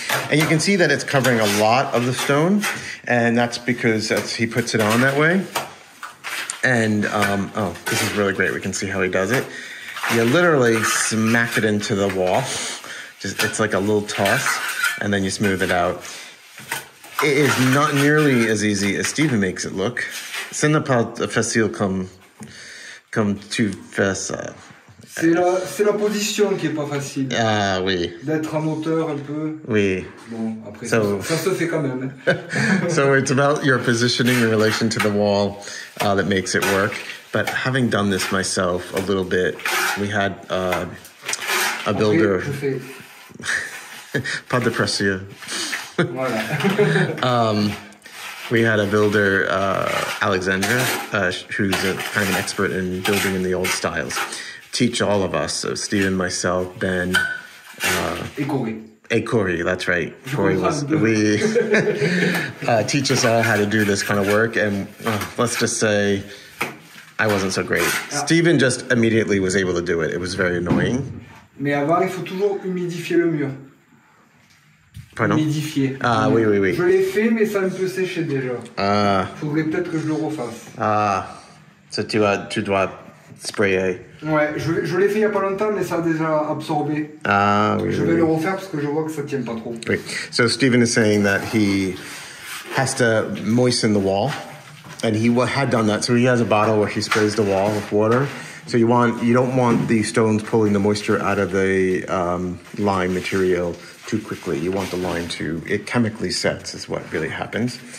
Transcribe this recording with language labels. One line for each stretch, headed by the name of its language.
English: And you can see that it's covering a lot of the stone, and that's because he puts it on that way. And, this is really great. We can see how he does it. You literally smack it into the wall. It's like a little toss, and then you smooth it out. It is not nearly as easy as Stephen makes it look.
French: Ce n'est pas facile comme tu fais ça. C'est la position qui est pas facile. Ah oui. D'être en hauteur un peu. Oui. Bon, après, so, ça se fait quand même. Hein.
English: So it's about your positioning in relation to the wall that makes it work. But having done this myself a little bit, we had a builder.
French: Après, je fais. Pas de pression. Voilà.
English: We had a builder, Alexandra, who's kind of an expert in building in the old styles. Teach all of us, so Stephen, myself, Ben.
French: Et Corey,
English: that's right. Corey was. We teach us all how to do this kind of work, and let's just say I wasn't so great. Ah. Stephen just immediately was able to do it. It was very annoying.
French: Mais avant, il faut toujours humidifier le mur. Pardon? Humidifier. Ah, oui, oui, oui. Je l'ai fait, mais ça a un peu séché déjà. Faudrait peut-être que je le refasse. Ah, so tu dois. spray A. Ouais, je l'ai fait il y a pas longtemps, mais ça a déjà absorbé. Ah, oui. Je vais le refaire parce que je vois que ça tient pas trop. Oui.
English: So Stephen is saying that he has to moisten the wall, and he had done that. So he has a bottle where he sprays the wall with water. So you don't want the stones pulling the moisture out of the lime material too quickly. You want the lime to, it chemically sets is what really happens.